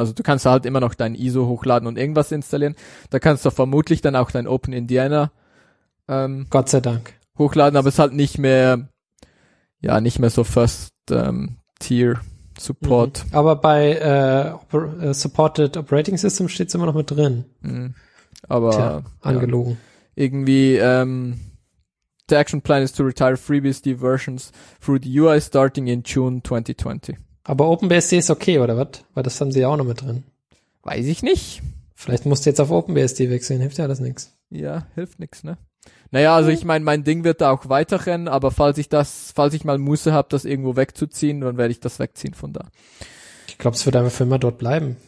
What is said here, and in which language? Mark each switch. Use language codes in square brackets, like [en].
[de] Also du kannst halt immer noch dein ISO hochladen und irgendwas installieren. Da kannst du vermutlich dann auch dein Open Indiana Gott sei Dank hochladen, aber es ist halt nicht mehr ja, nicht mehr so First Tier Support. Mhm. Aber bei Supported Operating System steht es immer noch mit drin. Mhm. Aber tja, angelogen. Ja. Irgendwie [en] the action plan is to retire FreeBSD versions through the UI starting in June 2020. [de] Aber OpenBSD ist okay, oder was? Weil das haben sie ja auch noch mit drin. Weiß ich nicht. Vielleicht musst du jetzt auf OpenBSD wechseln, hilft ja alles nichts. Ja, hilft nichts, ne? Naja, also ich meine, mein Ding wird da auch weiterrennen, aber falls ich mal Muße habe, das irgendwo wegzuziehen, dann werde ich das wegziehen von da. Ich glaube, es wird einfach für immer dort bleiben.